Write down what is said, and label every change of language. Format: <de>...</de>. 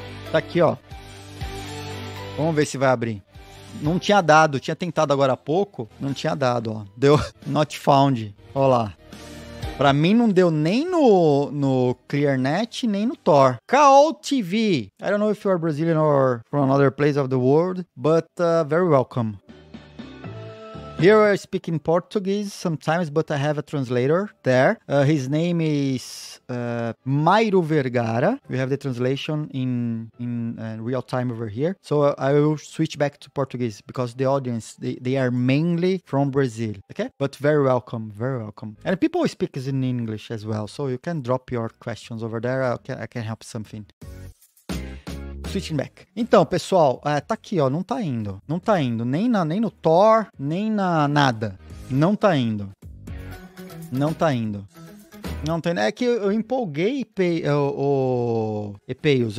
<pt>Tá aqui, ó. Vamos ver se vai abrir. Não tinha dado. Tinha tentado agora há pouco. Não tinha dado, ó. Deu not found. Ó lá. Pra mim não deu nem no ClearNet, nem no Tor.</pt> <en>Call TV. I don't know if you are Brazilian or from another place of the world, but very welcome. Here I speak in Portuguese sometimes, but I have a translator there. His name is Mairo Vergara. We have the translation in real time over here. So I will switch back to Portuguese because the audience, they are mainly from Brazil. Okay? But very welcome, very welcome. And people speak in English as well. So you can drop your questions over there. I can help something. Switching back.</en> <pt>Então, pessoal, tá aqui, ó, não tá indo. Não tá indo, nem no Tor, nem na nada. Não tá indo. Não tá indo. Não tá indo. É que eu empolguei o Epeios.</pt>